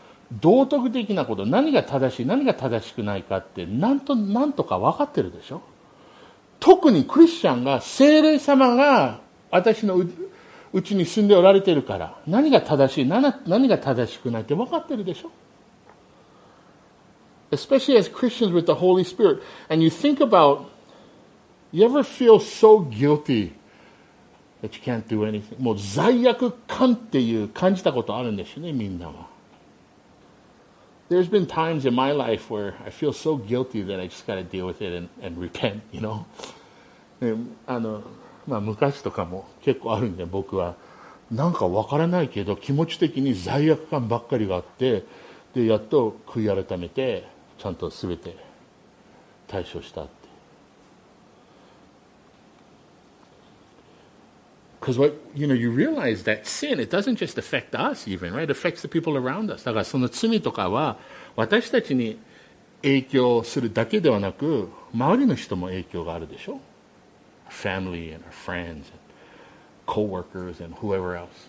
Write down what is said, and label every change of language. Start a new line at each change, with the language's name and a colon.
Japanese: 道徳的なこと、何が正しい、何が正しくないかって、なんとか分かってるでしょ？特にクリスチャンが、聖霊様が私のうちに住んでおられてるから何が正しい 何が正しくないって分かってるでしょ。
English: Especially as Christians with the Holy Spirit. And you think about, you ever feel so guilty that you can't do anything.
Japanese: もう罪悪感っていう感じたことあるんですよね、みんなは。
English: There's been times in my life where I feel so guilty that I just got to deal with it and repent, you know?
Japanese: まあ、昔とかも結構あるんで、僕は。なんかわからないけど、気持ち的に罪悪感ばっかりがあって、で、やっと悔い改めて、ちゃんとすべて対処したって。
English: Because what, you know, you realize that sin, it doesn't just affect us even, right? It affects the people around us.
Japanese: だからその罪とかは、私たちに影響するだけではなく、周りの人も影響があるでしょ？
English: Family and our friends and co-workers and whoever else.